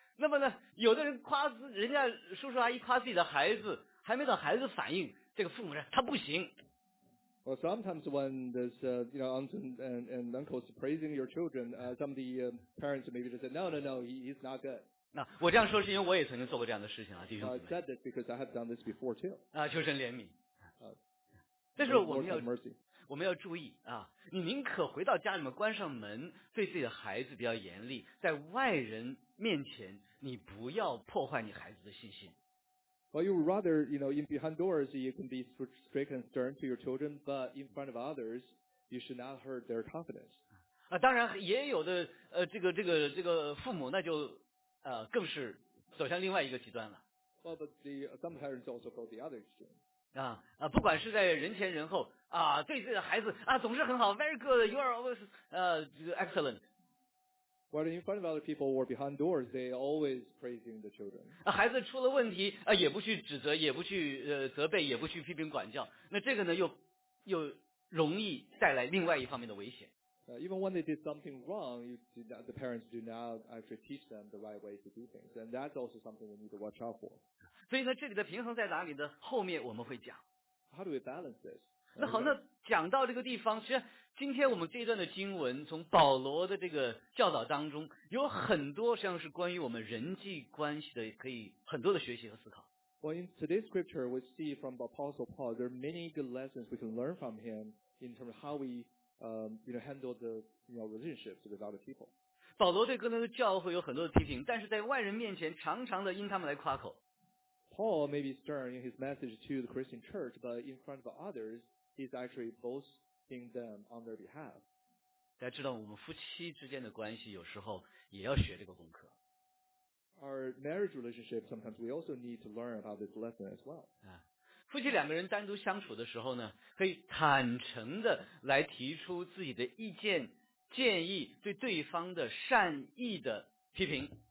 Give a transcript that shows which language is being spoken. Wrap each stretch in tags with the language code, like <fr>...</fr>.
<zh>那么呢，有的人夸人家叔叔阿姨夸自己的孩子，还没等孩子反应，这个父母说他不行。</zh> <en>Well, sometimes when there's, you know, aunts and uncles praising your children, some of the parents maybe just say, no, he's not good.</en> <zh>那我这样说是因为我也曾经做过这样的事情啊，弟兄姊妹。</zh> <en>I said this because I have done this before too.</en> <zh>啊，求神怜悯。啊，但是我们要注意啊，你宁可回到家里面关上门，对自己的孩子比较严厉，在外人面前你不要破坏你孩子的信心。</zh> <en>Well, you would rather, you know, in behind doors, you can be strict and stern to your children, but in front of others, you should not hurt their confidence.</en> <zh>啊，当然也有的，这个父母那就，更是走向另外一个极端了。</zh> <en>Well, but the, some parents also go the other extreme.</en> <zh>啊啊，不管是在人前人后啊，对这个孩子啊，总是很好 ，</zh> <en>very good, you are always, excellent. Whether in front of other people or behind doors, they always praising the children.</en> <zh>啊，孩子出了问题啊，也不去指责，也不去责备，也不去批评管教。那这个呢，又容易带来另外一方面的危险。</zh> <en>Even when they did something wrong, the parents do not actually teach them the right way to do things. And that's also something we need to watch out for.</en> <zh>所以呢，这里的平衡在哪里呢？后面我们会讲。</zh> <en>How do we balance this?</en> <zh>那好，那讲到这个地方，其实今天我们这一段的经文，从保罗的这个教导当中，有很多实际上是关于我们人际关系的，可以很多的学习和思考。</zh> <en>Well, in today's scripture, we see from Apostle Paul, there are many good lessons we can learn from him in terms of how we, handle the, relationships with other people.</en> <zh>保罗对哥林多教会有很多的批评，但是在外人面前常常的因他们来夸口。</zh> <en>Paul may be stern in his message to the Christian church, but in front of others, he's actually boasting them on their behalf.</en> <zh>大家知道，我们夫妻之间的关系有时候也要学这个功课。</zh> <en>Our marriage relationship, sometimes we also need to learn about this lesson as well.</en> <zh>夫妻两个人单独相处的时候呢，可以坦诚的来提出自己的意见、建议，对对方的善意的批评。</zh>